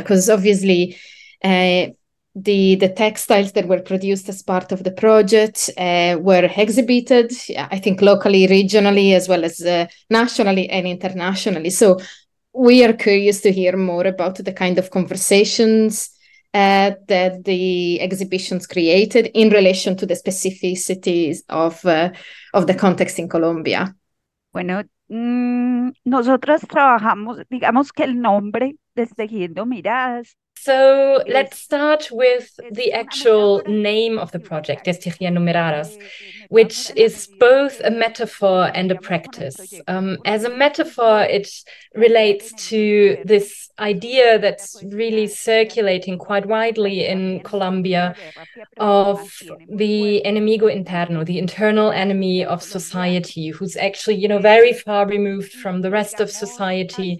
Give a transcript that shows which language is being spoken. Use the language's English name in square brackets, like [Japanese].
[English] Because obviously, the textiles that were produced as part of the project were exhibited, I think, locally, regionally, as well as nationally and internationally. So we are curious to hear more about the kind of conversations that the exhibitions created in relation to the specificities of the context in Colombia. [Spanish] Bueno, nosotras trabajamos, digamos que el nombre, Destejiendo Miradas. [English] So let's start with the actual name of the project, Destejiendo Miradas, which is both a metaphor and a practice. As a metaphor, it relates to this idea that's really circulating quite widely in Colombia of the enemigo interno, the internal enemy of society, who's actually, you know, very far removed from the rest of society.